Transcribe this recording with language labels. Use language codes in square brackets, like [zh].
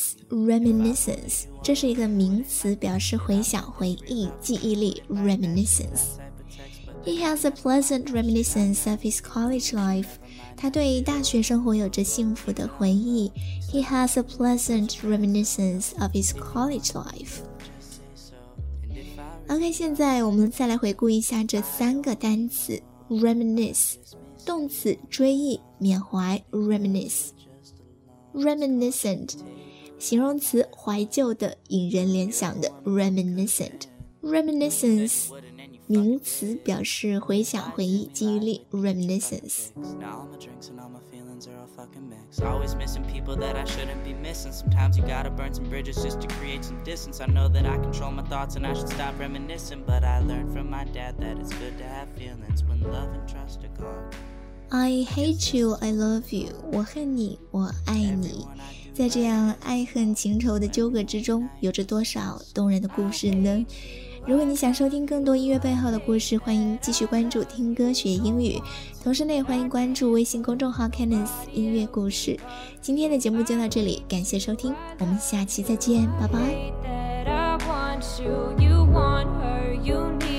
[zh] Reminiscence, 这是一个名词，表示回想、回忆、记忆力。 [en] Reminiscence. He has a pleasant reminiscence of his college life. [zh] 他对大学生活有着幸福的回忆。 [en] He has a pleasant reminiscence of his college life. [zh] OK， 现在我们再来回顾一下这三个单词。 Reminisce 动词，追忆、缅怀。 Reminisce Reminiscent 形容词怀旧的引人联想的 reminiscent。 Reminiscence 名词表示回想回忆记忆力 reminiscence。 [en] Now all my drinks and all my feelings are all fucking mixed. Always missing people that I shouldn't be missing. Sometimes you gotta burn some bridges just to create some distance. I know that I control my thoughts and I should stop reminiscing. But I learned from my dad that it's good to have feelings when love and trust are gone. I hate you, I love you, [zh] 我恨你，我爱你。在这样爱恨情仇的纠葛之中，有着多少动人的故事呢？如果你想收听更多音乐背后的故事，欢迎继续关注听歌学英语，同时呢，也欢迎关注微信公众号 Candice 音乐故事。今天的节目就到这里，感谢收听，我们下期再见，拜拜。